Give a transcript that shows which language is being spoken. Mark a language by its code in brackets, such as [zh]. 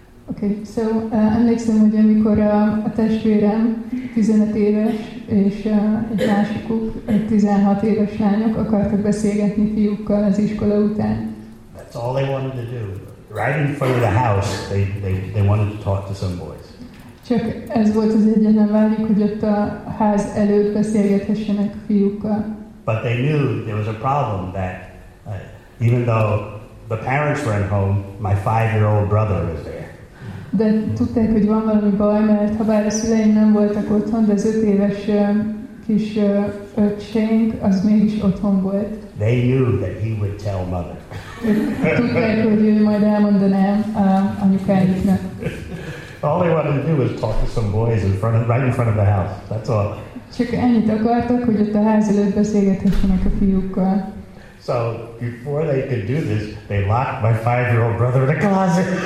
[en] Okay, so [hu] amikor a testvérem 15 éves és egy másikuk 16 éves lányok akartak beszélgetni fiúkkal az iskola után. [en] That's all they wanted to do. Right in front of the house, they wanted to talk to some boys. [hu] Csak ez volt az egyetlen vágyuk, hogy ott a ház előtt beszélgethessenek fiúkkal. [en] But they knew there was a problem that even though the parents were at home, my five-year-old brother was there. [hu] De tudták, hogy van valami baj, mert ha bár a szüleim nem voltak otthon, de az 5 éves kis öcsénk, az mégis otthon volt. [en] They knew that he would tell mother. [hu] Tudták, hogy ő majd elmondaná anyukájuknak. [en] All they wanted to do was talk to some boys right in front of the house. That's all. [hu] Csak ennyit akartak, hogy ott a ház előtt beszélgethessenek a fiúkkal. [en] So before they could do this, they locked my five-year-old brother in a closet.